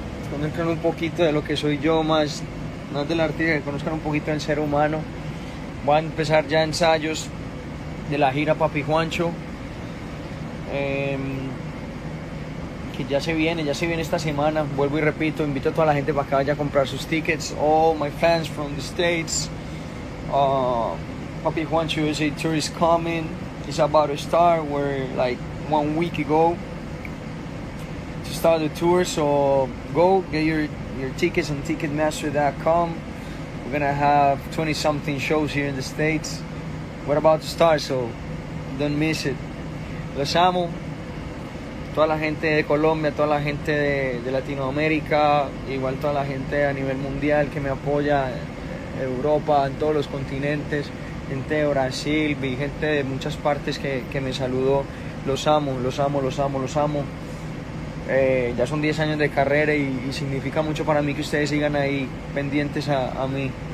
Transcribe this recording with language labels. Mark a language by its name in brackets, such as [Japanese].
[Spanish] Conozcan un poquito de lo que soy yo, más del artista, que conozcan un poquito del ser humano. Voy a empezar ya ensayos de la gira Papi Juancho, que ya se viene esta semana. Vuelvo y repito, invito a toda la gente para que vaya a comprar sus tickets. [English] All my fans from the States, Papi Juancho is a tour is coming, it's about to start, we're like 1 week ago to start the tour, so go get your tickets on Ticketmaster.com. We're gonna have 20 something shows here in the States. We're about to start, so don't miss it. [Spanish] Los amo. toda la gente de Colombia, toda la gente de Latinoamérica, igual toda la gente a nivel mundial que me apoya, Europa, en todos los continentes, gente de Brasil, vi gente de muchas partes que me saludó. Los amo. Ya son 10 años de carrera y significa mucho para mí que ustedes sigan ahí pendientes a mí.